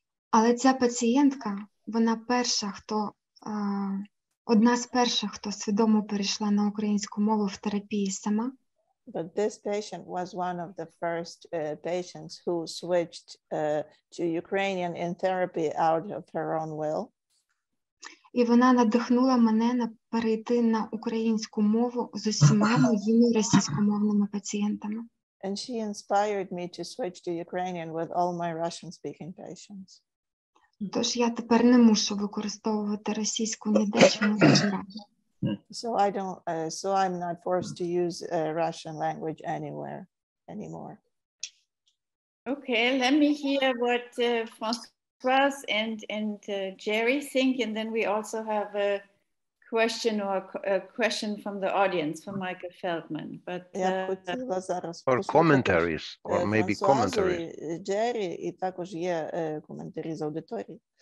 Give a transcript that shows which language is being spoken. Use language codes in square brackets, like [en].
[uk] Але ця пацієнтка, вона перша, хто одна з перших, хто свідомо перейшла на українську мову в терапії сама. [en] But this patient was one of the first patients who switched to Ukrainian in therapy out of her own will. [uk] І вона надихнула мене на перейти на українську мову з усіма моїми російськомовними пацієнтами. [en] And she inspired me to switch to Ukrainian with all my Russian speaking patients. [uk] Тож я тепер не мушу використовувати російську ніде, чому вважаю. [en] So I don't so I'm not forced to use Russian language anywhere anymore. Okay, let me hear what Françoise and Jerry think, and then we also have a question or a question from the audience from Michael Feldman. But or commentaries or maybe commentary. [uk] Jerry і також є коментарі з аудиторії.